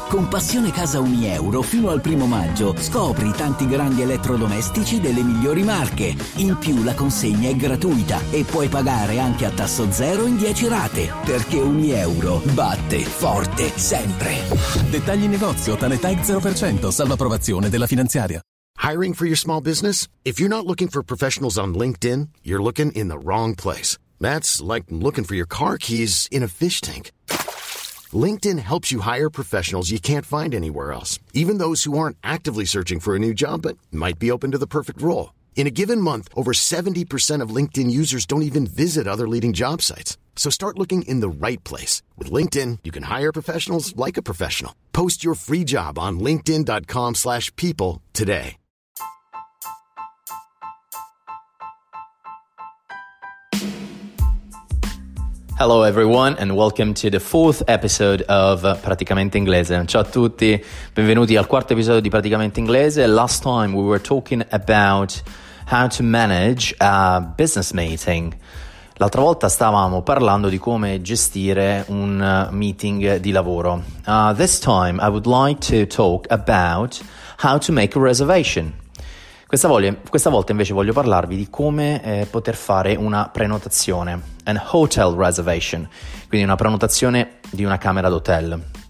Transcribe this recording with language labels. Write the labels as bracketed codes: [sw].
[it] Con Passione Casa Uni Euro fino al 1° maggio scopri tanti grandi elettrodomestici delle migliori marche. In più la consegna è gratuita e puoi pagare anche a tasso zero in 10 rate. Perché Uni Euro batte forte sempre. Dettagli negozio, Tanetag 0%, salva approvazione della finanziaria. [en] Hiring for your small business? If you're not looking for professionals on LinkedIn, you're looking in the wrong place. That's like looking for your car keys in a fish tank. LinkedIn helps you hire professionals you can't find anywhere else, even those who aren't actively searching for a new job but might be open to the perfect role. In a given month, over 70% of LinkedIn users don't even visit other leading job sites. So start looking in the right place. With LinkedIn, you can hire professionals like a professional. Post your free job on linkedin.com/people today. Hello everyone and welcome to the fourth episode of Praticamente Inglese. [it] Ciao a tutti, benvenuti al quarto episodio di Praticamente Inglese. [en] Last time we were talking about how to manage a business meeting. [it] L'altra volta stavamo parlando di come gestire un meeting di lavoro. [en] This time I would like to talk about how to make a reservation. [it] Questa volta invece voglio parlarvi di come poter fare una prenotazione, [en] an hotel reservation, [it] quindi una prenotazione di una camera d'hotel.